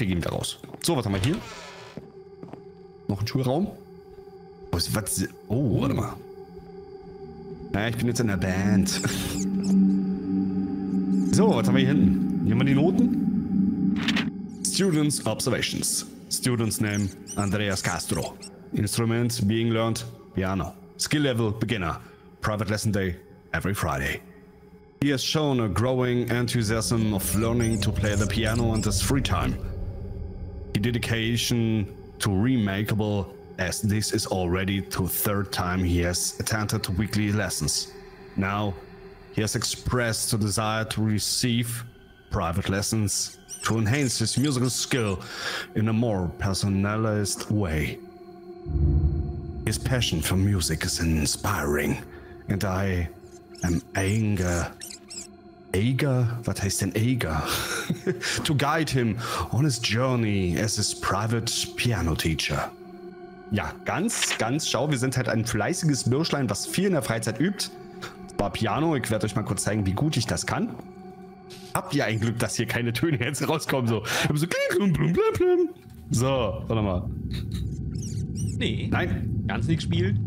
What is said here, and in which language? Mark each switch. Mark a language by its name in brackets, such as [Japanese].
[German] Wir gehen da raus. So, was haben wir hier? Noch ein Schulraum. Was? Oh, warte mal. Naja, ich bin jetzt in der Band. So, was haben wir hier hinten? Hier haben wir die Noten. [English] Students Observations. Students Name Andreas Castro. Instrument being learned piano. Skill level beginner. Private lesson day every Friday. He has shown a growing enthusiasm of learning to play the piano in his free time. The dedication to remakeable, as this is already the third time he has attended weekly lessons. Now, he has expressed a desire to receive private lessons to enhance his musical skill in a more personalized way. He His passion for music is inspiring. And I am anger. Eager? [German] Was heißt denn eager? [English] To guide him on his journey as his private piano teacher. [German] Ja, ganz, ganz schau. Wir sind halt ein fleißiges Bürschlein, was viel in der Freizeit übt. War Piano. Ich werde euch mal kurz zeigen, wie gut ich das kann. Habt ihr ein Glück, dass hier keine Töne jetzt rauskommen? So. Ich hab so kling, blum, blum, blum, blum. So, warte mal. Nee. Nein. Ganz nichts spielen.